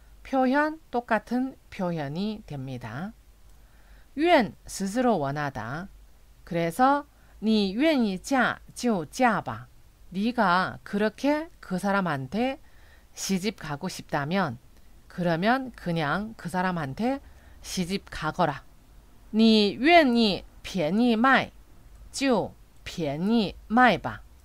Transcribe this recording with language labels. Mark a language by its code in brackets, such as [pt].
[ko] 표현 똑같은 표현이 됩니다. 愿 스스로 원하다. [zh] 그래서 你愿意嫁就嫁吧. [ko] 네가 그렇게 그 사람한테 시집 가고 싶다면 그러면 그냥 그 사람한테 시집 가거라. [zh] 你愿意便宜卖就便宜卖吧.